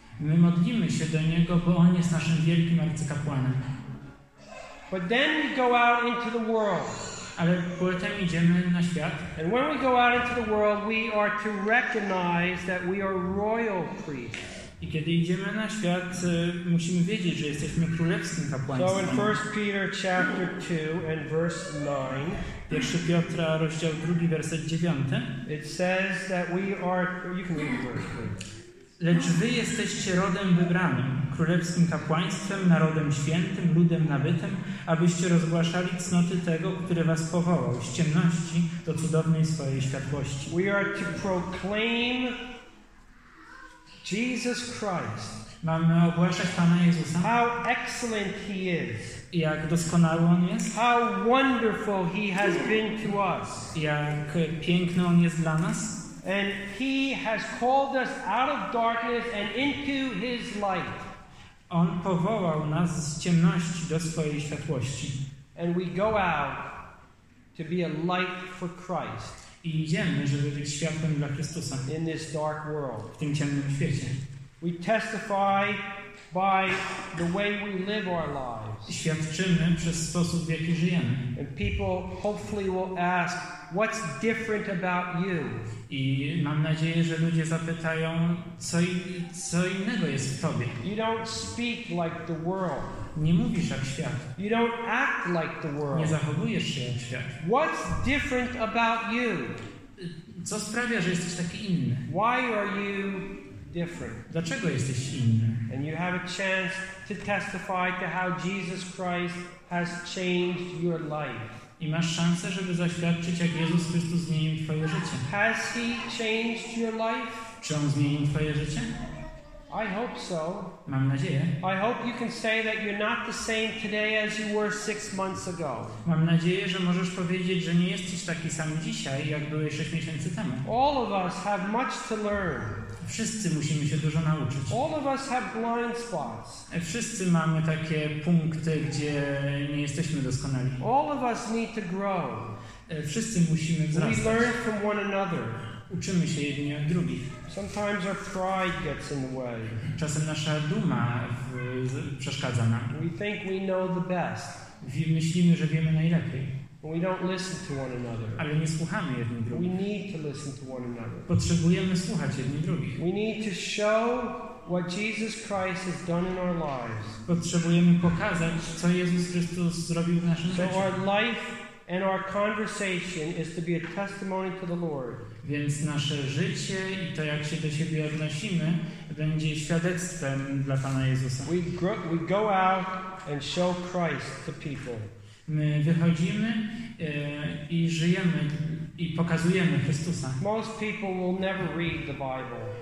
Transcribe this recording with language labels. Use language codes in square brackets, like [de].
[pl] My modlimy się do niego, bo on jest naszym wielkim arcykapłanem. [en] But then we go out into the world. [pl] Ale potem idziemy na świat. [en] And when we go out into the world, we are to recognize that we are royal priests. [pl] I kiedy idziemy na świat, musimy wiedzieć, że jesteśmy królewskim kapłaństwem. [en] So in 1 Peter chapter 2 and verse 9, [pl] 1 Piotra, rozdział 2, werset 9, [en] it says that we are, you can read the verse, please. [pl] Lecz wy jesteście rodem wybranym, królewskim kapłaństwem, narodem świętym, ludem nabytym, abyście rozgłaszali cnoty tego, który was powołał z ciemności do cudownej swojej światłości. [en] We are to proclaim Jesus Christ. [pl] Mamy ogłaszać Pana Jezusa. [en] How excellent he is. [pl] Jak doskonały on jest. [en] How wonderful he has been to us. [pl] Jak piękny on jest dla nas. [en] And he has called us out of darkness and into his light. [pl] On powołał nas z ciemności do swojej światłości. [en] And we go out to be a light for Christ. [pl] I idziemy, żeby być światłem dla Chrystusa. [en] In this dark world. [pl] W tym ciemnym świecie. [en] We testify by the way we live our lives. [pl] Świadczymy przez sposób, w jaki żyjemy. [en] And people hopefully will ask, what's different about you? [pl] I mam nadzieję, że ludzie zapytają, co innego jest w tobie. [en] You don't speak like the world. [pl] Nie mówisz jak świat. [en] You don't act like the world. [pl] Nie zachowujesz się jak świat. [en] What's different about you? [pl] Co sprawia, że jesteś taki inny? [en] Why are you different? [pl] Dlaczego jesteś inny? [en] And you have a chance to testify to how Jesus Christ has changed your life. [pl] I masz szansę, żeby zaświadczyć, jak Jezus Chrystus zmienił twoje życie. [en] Has he changed your life? [pl] Czy on zmienił twoje życie? [en] I hope so. [pl] Mam nadzieję. [en] I hope you can say that you're not the same today as you were 6 months ago. [pl] Mam nadzieję, że możesz powiedzieć, że nie jesteś taki sam dzisiaj, jak byłeś 6 miesięcy temu. [en] All of us have much to learn. [pl] Wszyscy musimy się dużo nauczyć. [en] All of us have blind spots. [pl] Wszyscy mamy takie punkty, gdzie nie jesteśmy doskonali. [en] All of us need to grow. [pl] Wszyscy musimy wzrastać. [en] We learn from one another. [pl] Uczymy się jedni od drugich. [en] Sometimes our pride gets in the way. [pl] Czasem nasza duma przeszkadza nam. [en] We think we know the best. [pl] Myślimy, że wiemy najlepiej. [en] We don't listen to one another. [pl] Ale nie słuchamy jedni drugich. [en] We need to listen to one another. [pl] Potrzebujemy słuchać jedni drugich. [en] We need to show what Jesus Christ has done in our lives. [pl] Potrzebujemy pokazać, co Jezus Chrystus zrobił w naszym życiu. [en] So our life and our conversation is to be a testimony to the Lord. [pl] Więc nasze życie i to, jak się do siebie odnosimy, będzie świadectwem dla Pana Jezusa. [en] We go out and show Christ to people. [pl] My wychodzimy i żyjemy i pokazujemy Chrystusa. [en] Most people will never read the Bible.